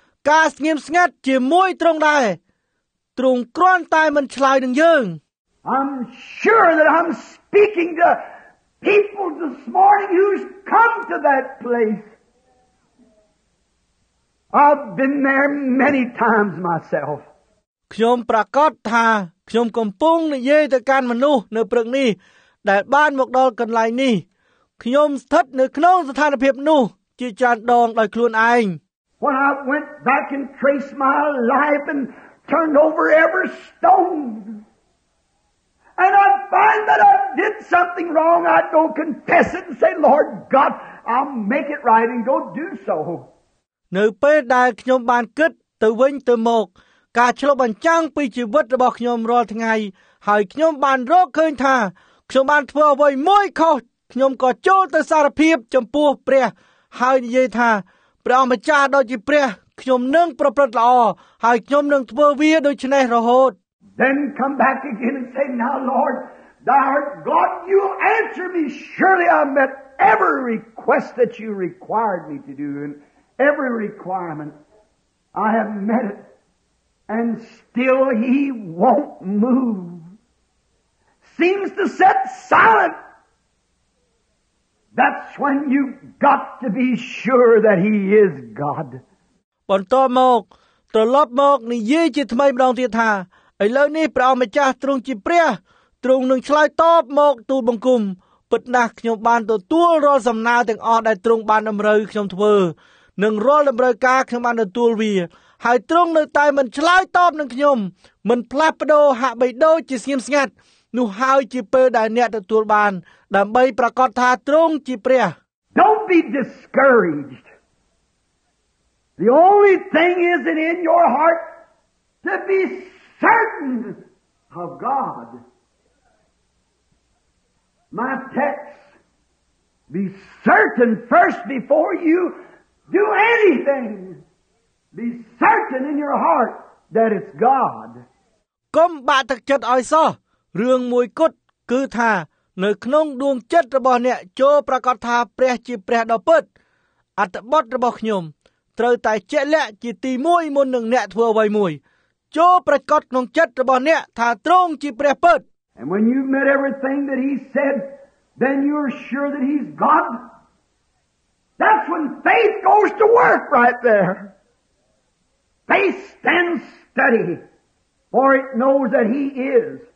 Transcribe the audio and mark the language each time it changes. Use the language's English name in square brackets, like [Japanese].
[English] Cast him snatch him moy trung die. Trung cron time and sliding young. I'm sure that I'm speaking to people this morning who's come to that place. I've been there many times myself. [Khmer] ខ្ញុំប្រកាសថាខ្ញុំកំពុងនិយាយទៅកាន់មនុស្សនៅព្រឹកនេះដែលបានមកដល់កន្លែងនេះខ្ញុំស្ថិតនៅក្នុងស្ថានភាពនោះជាច្រើនដងដោយខ្លួនឯង [English] When I went back and traced my life and turned over every stone and I find that I did something wrong I don't confess it and say Lord God I'll make it right and go do so [Khmer] នៅពេលដែលខ្ញុំបានគិតទៅវិញទៅមកការឆ្លុះបញ្ចាំងពីជីវិតរបស់ខ្ញុំរាល់ថ្ងៃហើយខ្ញុំបានរកឃើញថាខ្ញុំបានធ្វើអ្វីមួយខុសខ្ញុំក៏ចូលទៅសារភាពចំពោះព្រះហើយនិយាយថាព្រះអម្ចាស់ដូចជាព្រះខ្ញុំនឹងប្រព្រឹត្តល្អហើយខ្ញុំនឹងធ្វើវាដូចនេះរហូត [English] Then come back again and say now Lord thou art God you answer me surely I met every request that you required me to do and every requirement I have met it And still he won't move. Seems to sit silent. That's when you've got to be sure that he is God. [Khmer] បន្តមកត្រឡប់មកនិយាយជាថ្មីម្ដងទៀតថាឥឡូវនេះព្រះអម្ចាស់ទ្រង់ជាព្រះទ្រង់នឹងឆ្លើយតបមកទូលបង្គំពិតណាស់ខ្ញុំបានទទួលរាល់សំណើទាំងអស់ដែលទ្រង់បានតម្រូវខ្ញុំធ្វើនិងរាល់តម្រូវការខ្ញុំបានទទួលវាហើយទ្រង់នៅតែមិនឆ្លើយតបនឹងខ្ញុំមិនផ្លាស់ប្ដូរហាក់បីដូចជាស្ងៀមស្ងាត់នោះហើយជាពេលដែលអ្នកទទួលបានដើម្បីប្រកាសថាទ្រង់ជាព្រះ [English] Don't be discouraged. The only thing is that in your heart to be certain of God. My text be certain first before you do anything. Be certain in your heart that it's God. [Khmer] កុំបាក់ទឹកចិត្តឲ្យសោះរឿងមួយគត់គឺថានៅក្នុងដួងចិត្តរបស់អ្នកចូលប្រកាសថាព្រះជាព្រះដ៏ពិតអត្តបទរបស់ខ្ញុំត្រូវតែជាក់លាក់ជាទីមួយមុននឹងអ្នកធ្វើអ្វីមួយចូលប្រកាសក្នុងចិត្តរបស់អ្នកថាត្រង់ជាព្រះពិត [English] And when you've met everything that he said then you're sure that he's God. That's when faith goes to work right there. Faith stands steady, for it knows that he is.